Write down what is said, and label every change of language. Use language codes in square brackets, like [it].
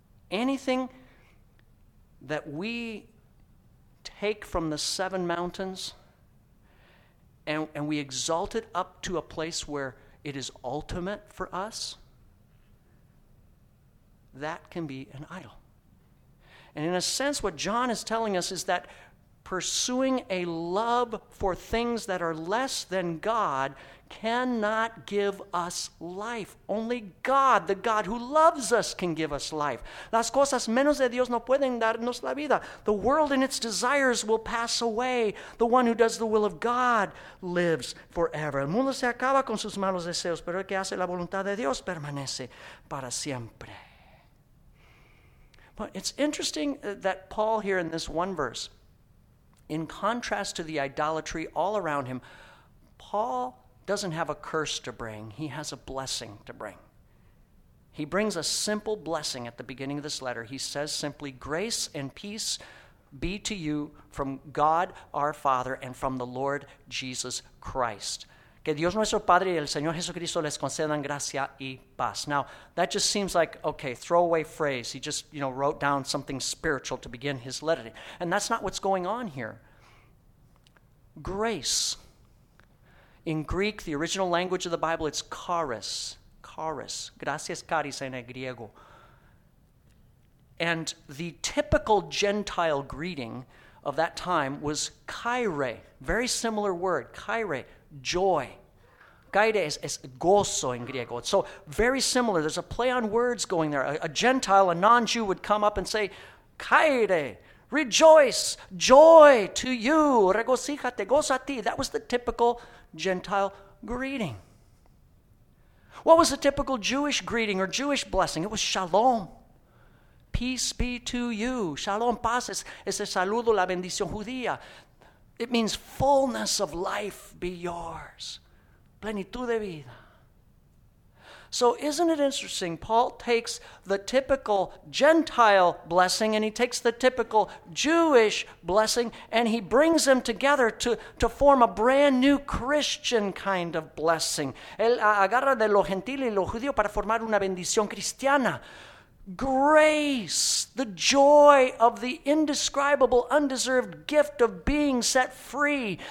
[en] Anything that we take from the seven mountains and we exalt it up to a place where it is ultimate for us, that can be an idol. And in a sense, what John is telling us is that pursuing a love for things that are less than God cannot give us life. Only God, the God who loves us, can give us life. [es] Las cosas menos de Dios no pueden darnos la vida. [en] The world and its desires will pass away. The one who does the will of God lives forever. [es] El mundo se acaba con sus malos deseos, pero el que hace la voluntad de Dios permanece para siempre. [en] But it's interesting that Paul here in this one verse, in contrast to the idolatry all around him, Paul doesn't have a curse to bring. He has a blessing to bring. He brings a simple blessing at the beginning of this letter. He says simply, grace and peace be to you from God our Father and from the Lord Jesus Christ. [es] Que Dios nuestro Padre y el Señor Jesucristo les concedan gracia y paz. [en] Now, that just seems like, okay, throwaway phrase. He just, wrote down something spiritual to begin his letter. And that's not what's going on here. Grace. In Greek, the original language of the Bible, it's charis. Charis. [es] Gracias charis en el griego. [en] And the typical Gentile greeting of that time was kaire. Very similar word, kaire. Joy. [es] Gaide es gozo in griego. [en] It's so very similar. There's a play on words going there. A Gentile, a non-Jew would come up and say, Gaide, rejoice, joy to you, [es] regocijate, [en] gozati. That was the typical Gentile greeting. What was the typical Jewish greeting or Jewish blessing? It was shalom. Peace be to you. [es] Shalom, paz, es el saludo, la bendición judía. [en] It means fullness of life be yours. [es] Plenitud de vida. [en] So isn't it interesting? Paul takes the typical Gentile blessing and he takes the typical Jewish blessing and he brings them together to form a brand new Christian kind of blessing. [es] Él agarra de lo gentil y lo judío para formar una bendición cristiana. [en] Grace, the joy of the indescribable, undeserved gift of being set free.